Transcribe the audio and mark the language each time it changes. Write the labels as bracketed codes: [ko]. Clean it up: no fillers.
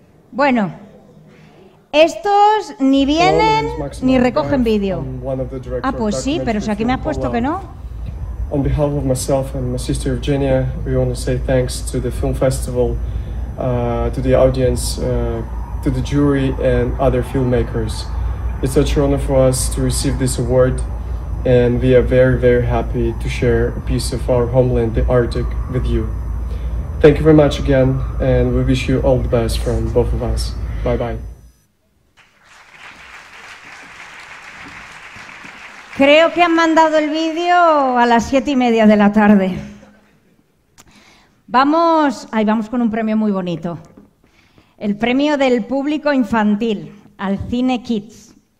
[es] Bueno, estos ni vienen ni recogen vídeo. Ah, pues sí, pero si aquí me has puesto que no. [en] On behalf of myself and my sister Eugenia, we want to say thanks to the film festival to the audience, to the jury and other filmmakers. It's such an honor for us to receive this award, and we are very, very happy to share a piece of our homeland, the Arctic, with you. Thank you very much again, and we wish you all the best from both of us. Bye-bye. [es] Creo que han mandado el vídeo a las 7:30 de la tarde. Vamos con un premio muy bonito. El premio del público infantil al cine Kids.